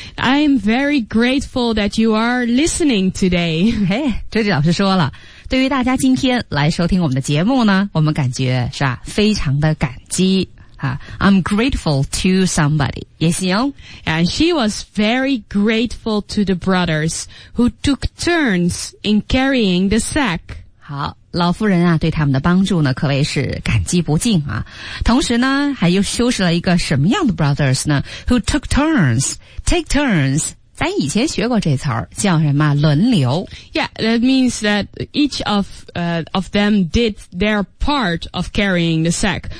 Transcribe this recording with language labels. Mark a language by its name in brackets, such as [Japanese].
[English] I am very grateful that you are listening today. [Chinese] 嘿，周迪老师说了，对于大家今天来收听我们的节目呢，我们感觉是吧，非常的感激。 [English] I'm grateful to somebody. [Chinese] 也行。 [English] And she was very grateful to the brothers who took turns in carrying the sack. [Chinese] 好，老妇人啊，对他们的帮助呢，可谓是感激不尽啊。同时呢，还又修饰了一个什么样的 brothers 呢 ？ [English] Who took turns? Take turns. [Chinese] 咱以前学过这词儿，叫什么？轮流。 [English] Yeah, that means that each of them did their part of carrying the sack.